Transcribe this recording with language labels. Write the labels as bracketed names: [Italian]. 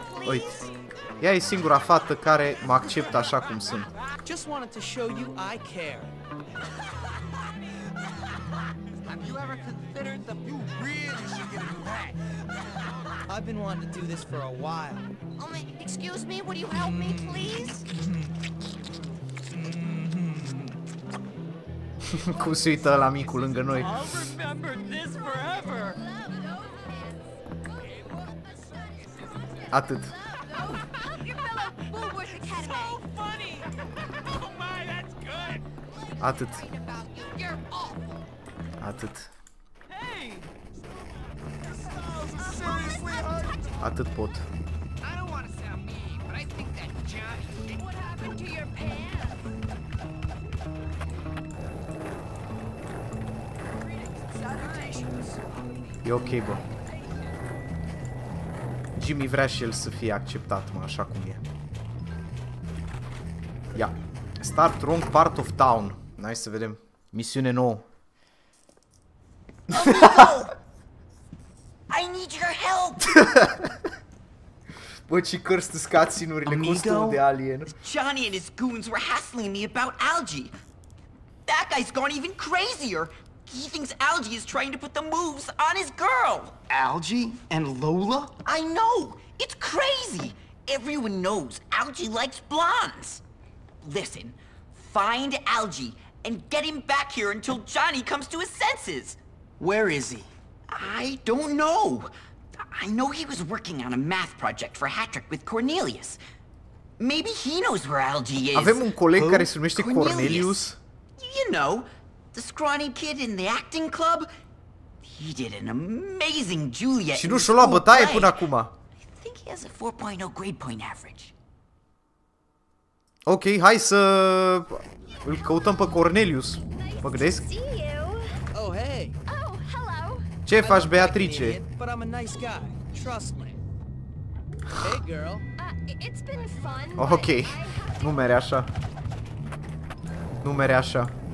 [Romanian] Uite. Ea e singura fată care mă acceptă așa cum sunt. [English] Just wanted to show you I care. Have you ever considered that you really should get a new hat? I've been wanting to do this for a while. Oh, excuse me, would you help me please? [Romanian] Cum se uită ăla micu lângă noi. [English] I'll remember this forever. [Romanian] Atât. Atât. Atât. Atât pot. E ok, bă. Jimmy vrea și el să fie acceptat, mă, așa cum e. Ia. [English] Start wrong part of town. [Romanian] Hai să vedem. Misiune nouă. [English] I need your help. [Romanian] Bă, ce cărți tu scaținurile cu stilul de alien. [English] Johnny and his goons were hassling me about algae. That guy's gone even crazier. He thinks algae is trying to put the moves on his girl. Algae and Lola? I know. It's crazy. Everyone knows algae likes blondes. Listen. Find algae and get him back here until Johnny comes to his senses. Where is he? I don't know. I know he was working on a math project for Hattrick with Cornelius. Maybe he knows where algae is. [Romanian] Avem un coleg care se numește Cornelius. [English] You know, the scrawny kid in the acting club? He did an amazing Juliet. [Romanian] Și nu și-o lua bătaie până acum. [English] I think he has a 4.0 grade point average. [Romanian] Ok, hai să îl căutăm pe Cornelius. Mă gândesc. [English] Oh, hey. Oh, hello. [Romanian] Ce faci, Beatrice? [English] But I'm a nice guy. Trust me. Hey, girl. It's been fun. [Romanian] Ok. Nu mere așa. Nu mere așa.